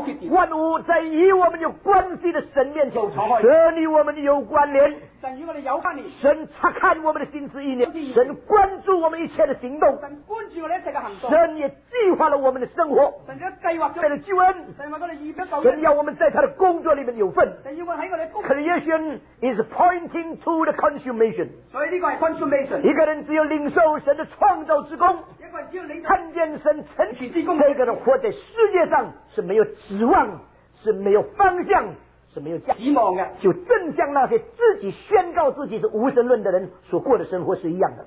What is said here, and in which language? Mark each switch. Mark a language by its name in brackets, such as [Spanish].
[Chinese] 万物在以我们有关系的神面前，神与我们有关联，神察看我们的心思意念，神关注我们一切的行动，神也计划了我们的生活，神的救恩，神要我们在他的工作里面有份。 [English] Creation is pointing to the consummation。 [Chinese] 一个人只有领受神的创造之功，看见神成全之功，这个人活在世界上是没有指望，是没有方向，是没有希望的，就正像那些自己宣告自己是无神论的人所过的生活是一样的。